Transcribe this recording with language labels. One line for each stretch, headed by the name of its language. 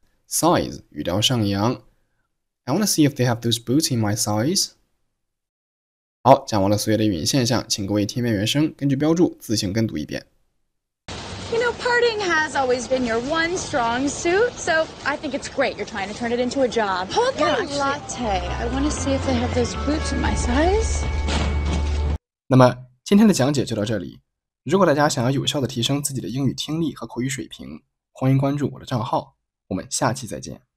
English: Size
Chinese: 语调上扬
English: ，I want to see if they have those boots in my size。
Chinese: 好，讲完了所有的语音现象，请各位听遍原声，根据标注自行跟读一遍。
English: You know, partying has always been your one strong suit, so I think it's great you're trying to turn it into a job. Hold on, latte. I want to see if they have those boots in my size.
Chinese: 那么今天的讲解就到这里。如果大家想要有效的提升自己的英语听力和口语水平，欢迎关注我的账号。我们下期再见。